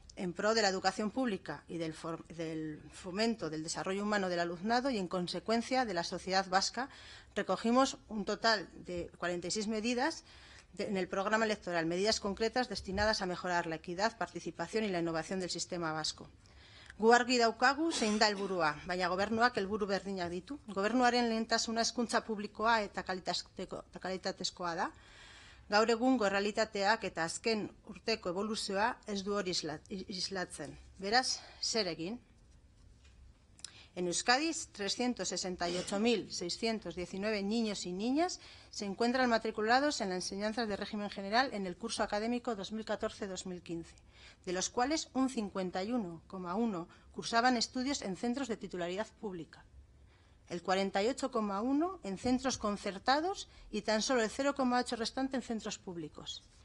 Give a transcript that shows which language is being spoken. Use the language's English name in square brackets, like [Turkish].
[Spanish] En pro de la educación pública y del fomento del desarrollo humano del alumnado y, en consecuencia, de la sociedad vasca, recogimos un total de 46 medidas en el programa electoral, medidas concretas destinadas a mejorar la equidad, participación y la innovación del sistema vasco. [Basque] Gu argi daukagu zein da helburua, baina gobernuak helburu berdinak ditu. Gobernuaren lehentasuna hezkuntza publikoa eta kalitatezkoa da. Gaur egungo errealitateak eta azken urteko evoluzioa ez du hori islatzen. Beraz, zer egin? [Spanish] En Euskadi, 368.619 niños y niñas se encuentran matriculados en la enseñanza de régimen general en el curso académico 2014-2015, de los cuales un 51,1 cursaban estudios en centros de titularidad pública, el 48,1 en centros concertados y tan solo el 0,8 restante en centros públicos.